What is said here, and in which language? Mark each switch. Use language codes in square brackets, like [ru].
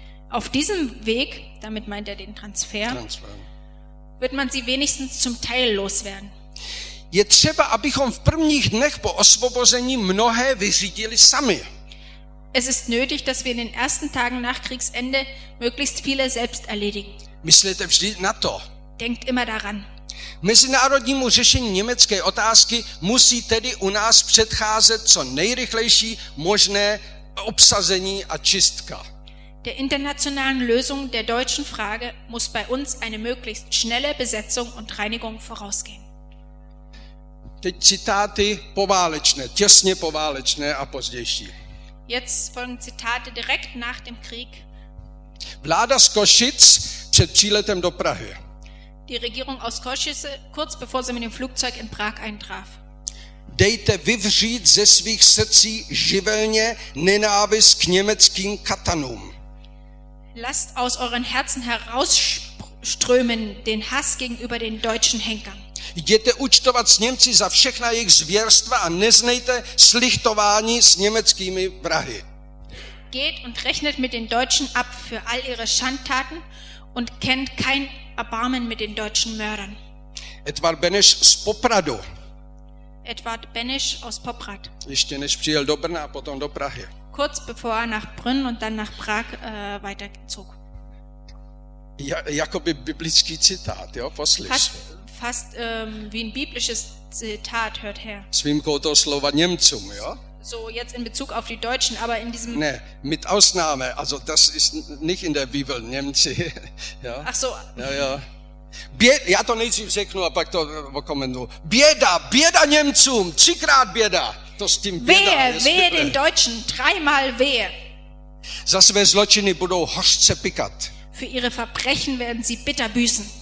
[de] Auf diesem Weg, damit meint den Transfer, wird man sie wenigstens zum Teil loswerden. [cs] Je třeba, abychom v prvních dnech po osvobození mnohé vyřídili sami. [de] Es ist nötig, dass wir in den ersten Tagen nach Kriegsende möglichst viele selbst erledigen. [cs] Myslete vždy na to. [de] Denkt immer daran. [cs] Mezinárodnímu řešení německé otázky musí tedy u nás předcházet co nejrychlejší možné obsazení a čistka. [de] Der internationalen Lösung der deutschen Frage muss bei uns eine möglichst schnelle Besetzung und Reinigung vorausgehen. [cs] Teď citáty poválečné, těsně poválečné a pozdější. [de] Jetzt folgen Zitate direkt nach dem Krieg. [cs] Vláda z Košic před příletem do Prahy. [de] Die Regierung aus Košice kurz bevor sie mit dem Flugzeug in Prag eintraf. [cs] Dejte vyvřít ze svých srdcí živelně nenávist k německým katanům. [de] Lasst aus euren Herzen herausströmen den Hass gegenüber den deutschen Henkern. [cs] Jděte účtovat s Němci za všechna jejich zvěrstva a neznejte slichtování s německými vrahy. [de] Geht und rechnet mit den Deutschen ab für all ihre Schandtaten und kennt kein Erbarmen mit den deutschen Mördern. [cs] Edvard Beneš z Popradu. [de] Edvard Beneš aus Poprad. [cs] Ještě než přijel do Brna a potom do Prahy. [de] Kurz bevor er nach Brünn und dann nach Prag weiterzog. [cs] jakoby biblický citát, jo, poslyš. [de] Fast wie ein biblisches Zitat, hört her. [cs] S výjimkou toho slova Němcům, jo? [de] So jetzt in Bezug auf die Deutschen, aber in diesem... Ne, mit Ausnahme, also das ist nicht in der Bibel, Němci, jo? Ach so. Ja, ja. [cs] Já to nejdřív řeknu a pak to okomentu. Běda, běda Němcům, třikrát běda. To s tím běda. [de] Wehe den Deutschen, dreimal wehe. [cs] Za své zločiny budou hořce pikat. [de] Für ihre Verbrechen werden sie bitter büßen.